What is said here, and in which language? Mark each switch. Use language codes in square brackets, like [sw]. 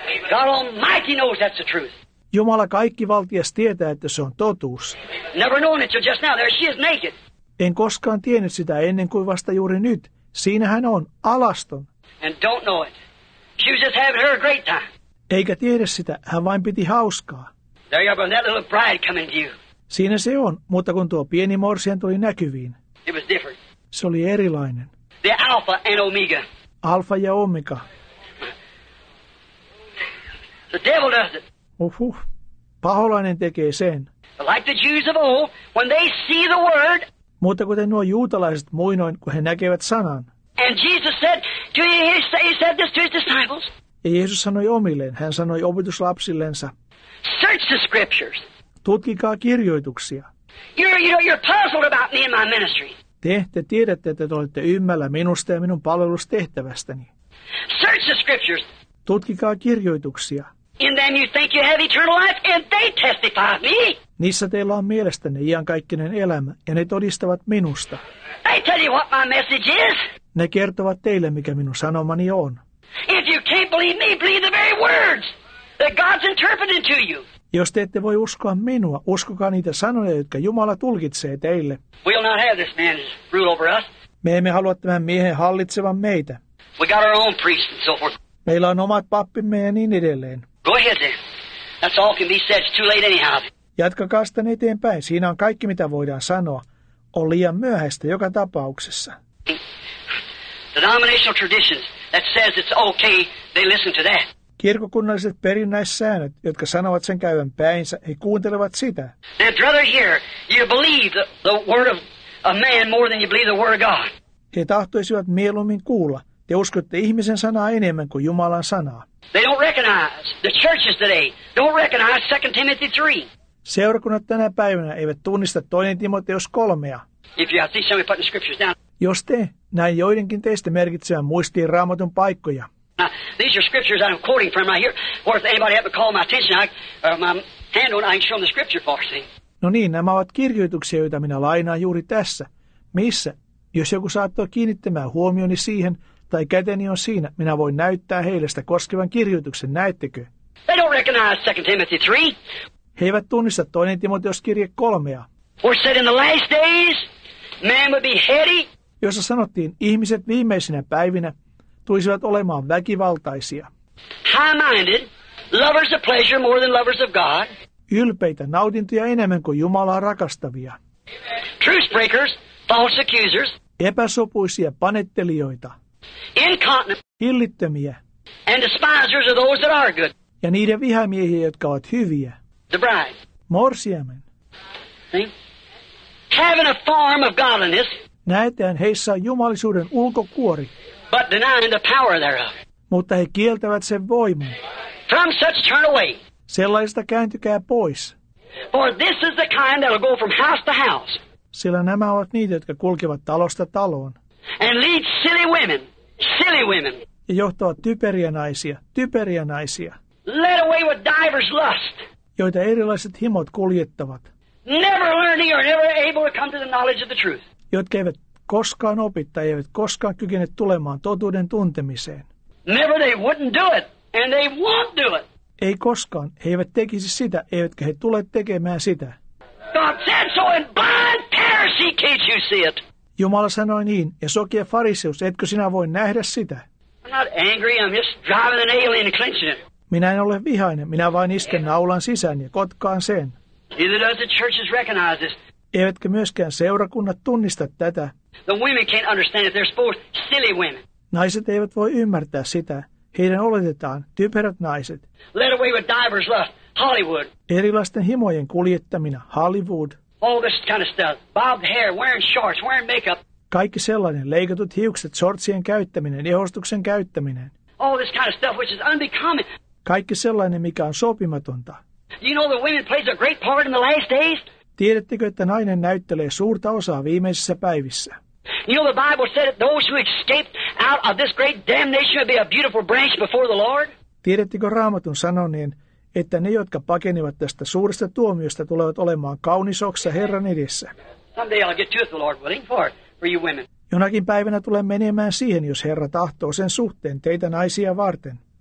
[en] God Almighty knows that's the truth. [fi] Jumala kaikkivaltias tietää, että se on totuus. [en] Never known it till just now. There she is naked. [fi] En koskaan tiennyt sitä ennen kuin vasta juuri nyt. Siinä hän on, alaston. [en] And don't know it. She was just having her a great time. [fi] Eikä tiedä sitä, hän vain piti hauskaa. [en] There you are, but that little bride coming to you. [fi] Siinä se on, mutta kun tuo pieni morsian tuli näkyviin. [en] It was different. [fi] Se oli erilainen. [en] The Alpha and Omega. [fi] Alfa ja Omega. [en] The devil does it. [fi] Uhuh. Paholainen tekee sen. [en] Like the Jews of old, when they see the word. [fi] Mutta kuten nuo juutalaiset muinoin, kun he näkevät sanan. [en] And Jesus said to his, he said this to his disciples. [fi] Ja Jeesus sanoi omilleen, hän sanoi opetuslapsillensa. [en] Search the scriptures. [fi] Tutkikaa kirjoituksia. [en] You're puzzled about me and my ministry. [fi] Te tiedätte, että te olette ymmällä minusta ja minun palvelustehtävästäni. [en] Search the scriptures. [fi] Tutkikaa kirjoituksia. [en] In them you think you have eternal life and they testify me. [fi] Niissä teillä on mielestäni iankaikkinen elämä ja ne todistavat minusta. [en] They tell you what my message is. [fi] Ne kertovat teille, mikä minun sanomani on. [en] If you can't believe me, believe the very words. That God's interpreting to you. [fi] Jos te ette voi uskoa minua, uskokaa niitä sanoja, jotka Jumala tulkitsee teille. [en] We'll not have this man rule over us. [fi] Me emme halua tämän miehen hallitsevan meitä. [en] We got our own priests and so forth. [fi] Meillä on omat pappimme ja niin edelleen. [en] Go ahead then. That's all can be said. It's too late anyhow. [fi] Jatkakaa sitten eteenpäin. Siinä on kaikki, mitä voidaan sanoa. On liian myöhäistä joka tapauksessa. [en] The denominational traditions that says it's okay, they listen to that. [fi] Kirkokunnalliset perinnäissäännöt, jotka sanovat sen käyvän päinsä, he kuuntelevat sitä. [en] Now, brother here, you believe the word of a man more than you believe the word of God. [fi] He tahtoisivat mieluummin kuulla. Te uskotte ihmisen sanaa enemmän kuin Jumalan sanaa. [en] They don't recognize the churches today. Don't recognize 2 Timothy 3. [fi] Seurakunnat tänä päivänä eivät tunnista 2 Timoteus 3:a. [en] If you see somebody putting the scriptures down. [fi] Jos te näin joidenkin teistä merkitsevän muistiin Raamatun paikkoja. [en] Now, these are scriptures I'm quoting from right here. Or if anybody ever called my attention, my hand on, I can show them the scripture for them. [fi] No niin, nämä ovat kirjoituksia, joita minä lainaan juuri tässä. Missä? Jos joku saattoi kiinnittämään huomioni siihen, tai käteni on siinä, minä voin näyttää heille sitä koskevan kirjoituksen, näettekö? [en] They don't recognize 2 Timothy 3. [fi] He eivät tunnista 2 Timoteus kirje 3:a. [en] Or said in the last days, man would be heady. [fi] Jossa sanottiin, ihmiset viimeisinä päivinä tulisivat olemaan väkivaltaisia. [en] High-minded, lovers of pleasure more than lovers of God. [fi] Ylpeitä nautintoja enemmän kuin Jumalaa rakastavia. [en] Truth breakers, false accusers. [fi] Epäsopuisia panettelijoita. [en] Incontinent. [fi] Hillittömiä. [en] And despisers of those that are good. [fi] Ja niiden vihamiehiä, jotka ovat hyviä. [en] The bride. [fi] Morsiamen. [en] See? Having a form of godliness. [fi] Näetään heissä jumalisuuden ulkokuori. [en] But denying the power thereof. [fi] Mutta he kieltävät sen voiman. [en] From such turn away. [fi] Sellaista kääntykää pois. [en] For this is the kind that will go from house to house. [fi] Sillä nämä ovat niitä, jotka kulkevat talosta taloon. [en] And lead silly women. Silly women. [fi] Ja johtavat typeriä naisia. Typeriä naisia. [en] Led away with divers lust. [fi] Joita erilaiset himot kuljettavat. [en] Never learning or never able to come to the knowledge of the truth. [fi] Jotka eivät koskaan opi tai eivät koskaan kykene tulemaan totuuden tuntemiseen. [en] Never they wouldn't do it. And they won't do it. [fi] Ei koskaan. He eivät tekisi sitä, eivätkä he tule tekemään sitä. [en] God said so in blind Pharisee, can't you see it? [fi] Jumala sanoi niin, ja sokea fariseus, etkö sinä voi nähdä sitä? [en] I'm not angry, I'm just driving an alien and clenching it. [fi] Minä en ole vihainen, minä vain isken naulan sisään ja kotkaan sen. [en] Neither does the churches recognize this. [fi] Eivätkö myöskään seurakunnat tunnista tätä? [en] The women can't understand it, they're supposed silly women. [fi] Naiset eivät voi ymmärtää sitä. Heidän oletetaan, typerät naiset. [en] Led away with divers lust, Hollywood. [fi] Erilaisten himojen kuljettamina, Hollywood. [en] All this kind of stuff, bobbed hair, wearing shorts, wearing makeup. [fi] Kaikki sellainen, leikatut hiukset, shortsien käyttäminen, ehostuksen käyttäminen. [en] All this kind of stuff which is unbecoming. [fi] Kaikki sellainen, mikä on sopimatonta. [en] You know the women plays a great part in the last days? [fi] Tiedättekö, että nainen näyttelee suurta osaa viimeisissä päivissä? [en] You know the Bible said that those who escaped out of this great damnation would be a beautiful branch before the Lord? [fi] Tiedättekö Raamatun sanoneen, että ne, jotka pakenivat tästä suuresta tuomiosta, tulevat olemaan kaunis oksa Herran edessä? [en] Someday I'll get to it, the Lord willing, for you women. [fi] Jonakin päivänä tulee menemään siihen, jos Herra tahtoo sen suhteen teitä naisia varten.